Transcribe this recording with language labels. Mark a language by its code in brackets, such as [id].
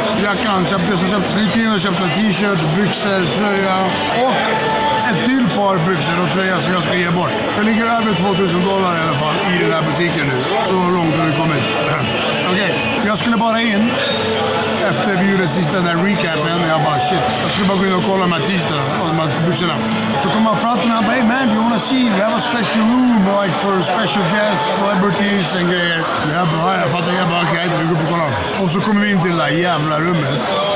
[sv] Jackan, jag köpte slitin och köpte t-shirt, byxor, tröja och ett till par byxor och tröja som jag ska ge bort. Det ligger över $2,000 i alla fall i den här butiken nu. Så långt har vi kommit. Okej, jag skulle bara in efter vi gjorde sista den där recapen och jag bara shit. Jag skulle bara gå in och kolla de här t-shirtarna och de här byxorna. Så kom jag fram till mig och bara, [en] hey man, do you wanna see? We have a special room like for special guests, celebrities and grejer. [sv] Jag bara, jag fattar, jag bara, okej, vi går upp och kollar. Och så kommer vi in till det jävla rummet.